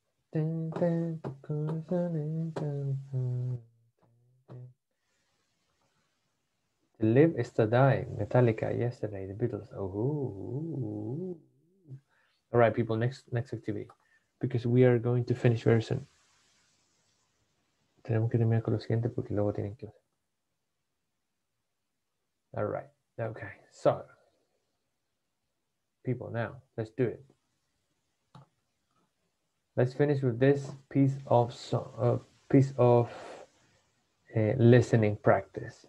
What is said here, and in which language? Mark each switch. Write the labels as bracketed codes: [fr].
[en] To Live Is To Die, Metallica, Yesterday, The Beatles. Oh, all right, people, next activity, because we are going to finish very soon. [es] Tenemos que terminar con lo siguiente porque luego tienen clase. [en] All right, okay, so people, now let's do it. Let's finish with this piece of listening practice.